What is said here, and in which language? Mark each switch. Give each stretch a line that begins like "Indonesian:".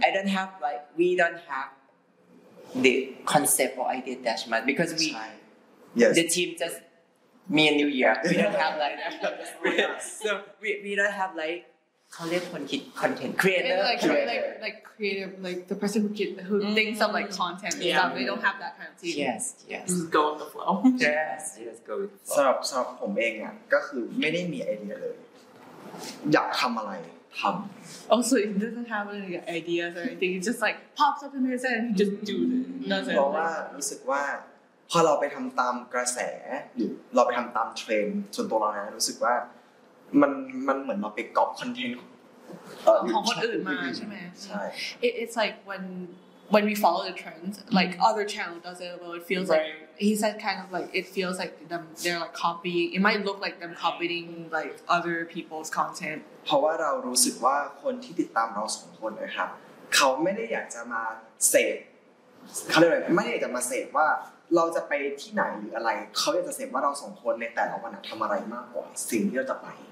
English: I don't have, like, we don't have the concept or idea that much, because we, the team just, me and New Year, we don't have, like, so we don't have, like, content creator. Like the person who thinks of like content and stuff. We don't have that kind of team. Yes, yes. Just go with the flow. Yes, go with the flow.
Thai: สำหรับผมเองอ่ะก็คือไม่ได้มีไอเดียเลยอยากทำอะไรทำ
English: Also, he doesn't have any ideas or anything. He just like pops up in his head and he just do nothing.
Thai: เพราะว่ารู้สึกว่าพอเราไปทำตามกระแสเราไปทำตามเทรนด์ส่วนตัวเรานะรู้สึกว่ามันเหมือนเราไปก๊อปคอนเทนต์ของคนอื่นมาใช่ไหม ใช่
English: it's like when we follow the trends like other channel does it well it feels right. like he said kind of like it feels like them they're like copying it might look like them copying like other people's content
Thai: เพราะว่าเรารู้สึกว่าคนที่ติดตามเราสองคนนะครับเขาไม่ได้อยากจะมาเสพเขาเรียกอะไรไม่ได้อยากจะมาเสพว่าเราจะไปที่ไหนหรืออะไรเขาอยากจะเสพว่าเราสองคนในแต่ละวันทำอะไรมากกว่าสิ่งที่เราจะไป